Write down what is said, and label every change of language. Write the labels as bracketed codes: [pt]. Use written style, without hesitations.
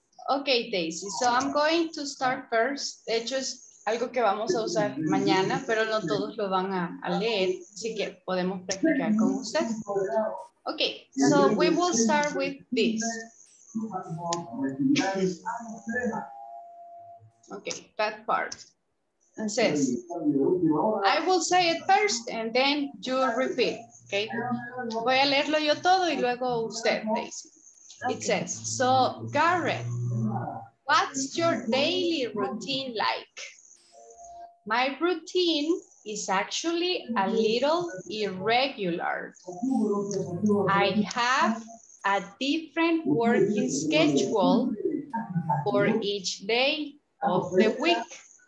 [en] Okay, Daisy, so I'm going to start first. [es] De hecho, es algo que vamos a usar mañana, pero no todos lo van a leer, así que podemos practicar con usted. [en] Okay, so we will start with this. Okay, that part. It says, I will say it first and then you repeat. [es] Okay, voy a leerlo yo todo y luego usted, Daisy. [en] It says, so Garrett, what's your daily routine like? My routine is actually a little irregular. I have a different working schedule for each day of the week.